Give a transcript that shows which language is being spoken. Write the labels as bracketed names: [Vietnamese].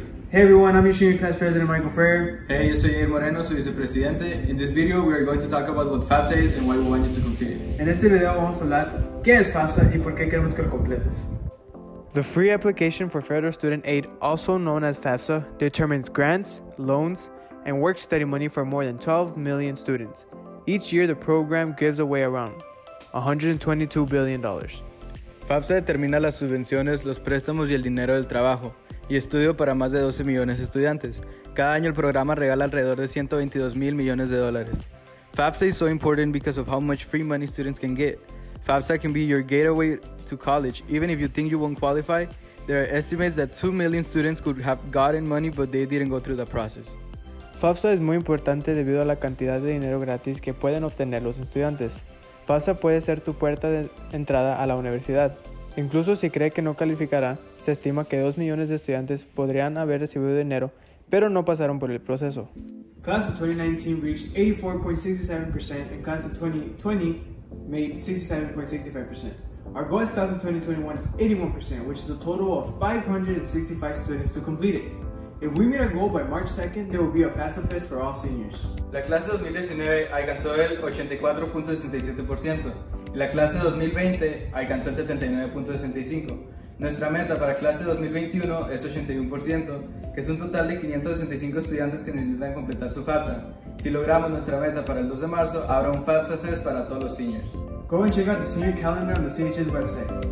[English] Hey everyone, I'm your senior class president, Michael Ferrer. [Spanish] Hey, yo soy Ian Moreno, soy vicepresidente. [English] In this video, we are going to talk about what Fafsa is and why we want you to complete it. [Spanish] En este video vamos a hablar qué es Fafsa y por qué queremos que lo completes. [English] The free application for federal student aid, also known as Fafsa, determines grants, loans, and work study money for more than 12 million students. Each year, the program gives away around $122 billion. [Spanish] Fafsa determina las subvenciones, los préstamos y el dinero del trabajo y estudio para más de 12 millones de estudiantes. Cada año el programa regala alrededor de $122 million. [English] Fafsa is so important because of how much free money students can get. Fafsa can be your gateway to college. Even if you think you won't qualify, there are estimates that 2 million students could have gotten money but they didn't go through the process. [Spanish] Fafsa es muy importante debido a la cantidad de dinero gratis que pueden obtener los estudiantes. Fafsa puede ser tu puerta de entrada a la universidad. Incluso si cree que no calificará, se estima que 2 millones de estudiantes podrían haber recibido dinero, pero no pasaron por el proceso. [English] Class of 2019 reached 84.67% and class of 2020 made 67.65%. Our goal is class of 2021 is 81%, which is a total of 565 students to complete it. If we meet our goal by March 2nd, there will be a Fafsa Fest for all seniors. [Spanish] La clase 2019 alcanzó el 84.67%. La clase 2020 alcanzó el 79.65%. Nuestra meta para clase 2021 es 81%, que es un total de 565 estudiantes que necesitan completar su Fafsa. Si logramos nuestra meta para el 2 de marzo, habrá un Fafsa Fest para todos los seniors. [English] Go and check out the senior calendar on the CH's website.